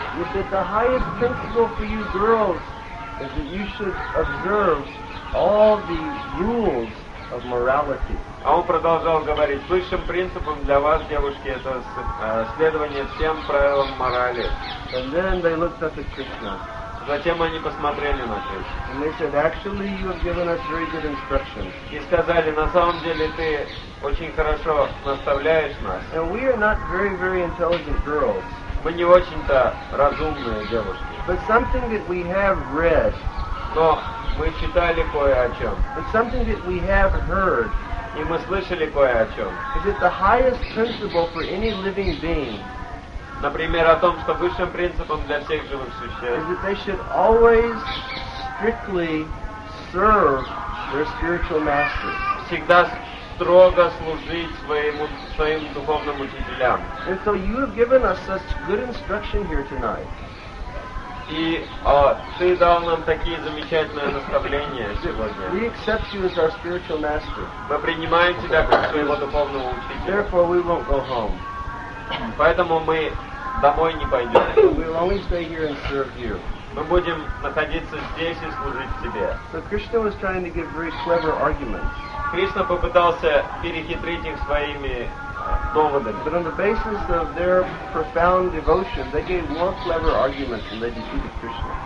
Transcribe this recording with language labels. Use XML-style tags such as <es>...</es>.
<en>You said the highest principle for you girls is that you should observe all the rules of morality.</en> <ru>А он продолжал говорить, высшим принципом для вас, девушки, это следование всем правилам морали.</ru> <en>And then they looked up at Krishna.</en> <ru>Затем они посмотрели на Кришну.</ru> <en>And they said, actually, you have given us very good instructions.</en> <ru>И сказали, на самом деле ты очень хорошо наставляешь нас.</ru> <en>And we are not very, very intelligent girls.</en> <ru>Мы не очень-то разумные девушки.</ru> <en>But something that we have read.</en> <ru>Но мы читали кое о чем.</ru> <en>But something that we have heard.</en> <ru>И мы слышали кое о чем.</ru> <en>Is that the highest principle for any living being.</en> <ru>Например, о том, что высшим принципом для всех живых существ.</ru> <en>Is that they should always strictly serve their spiritual master.</en> <ru>Всегда строго служить своим духовным учителям.</ru> <en>And so you have given us such good instruction here tonight.</en> <ru>И ты дал нам такие замечательные наставления сегодня.</ru> <en>We accept you as our spiritual master.</en> <ru>Мы принимаем тебя как своего духовного учителя.</ru> <en>Therefore we won't go home.</en> <ru>Поэтому мы домой не пойдем.</ru> <en>We'll only stay here and serve you.</en> <ru>Мы будем находиться здесь и служить тебе.</ru> <en>So Krishna was trying to give very clever arguments.</en> <ru>Кришна попытался перехитрить их своими доводами.</ru> <en>But on the basis of their profound devotion, they gave more clever arguments than they defeated Krishna.</en>